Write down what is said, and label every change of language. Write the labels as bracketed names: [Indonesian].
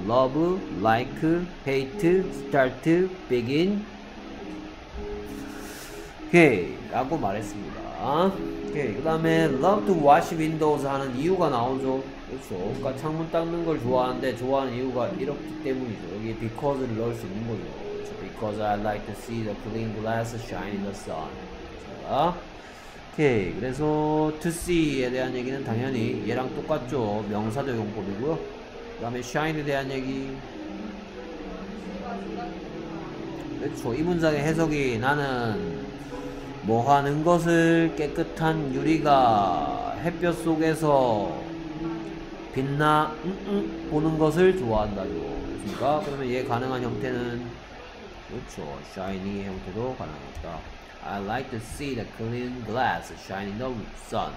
[English] Love, like, hate, start, begin. [Korean] Okay. 라고 말했습니다. Okay. 그 다음에 [English] love to wash windows [Korean] 하는 이유가 나오죠. 그렇죠. 그러니까 창문 닦는 걸 좋아하는데 좋아하는 이유가 이렇기 때문이죠. 여기 because를 넣을 수 있는 거죠. [English] Because I like to see the clean glass shine in the sun. [Korean] 자. 오케이. 그래서 to see에 대한 얘기는 당연히 얘랑 똑같죠. 명사도 용법이고요. 그 다음에 shine에 대한 얘기. 그렇죠. 이 문장의 해석이 나는 뭐 하는 것을 깨끗한 유리가 햇볕 속에서 빛나 보는 것을 좋아한다죠. 그렇습니까? 그러면 얘 가능한 형태는 그렇죠. shining 형태도 가능합니다. [English] I like to see the clean glass shining the sun.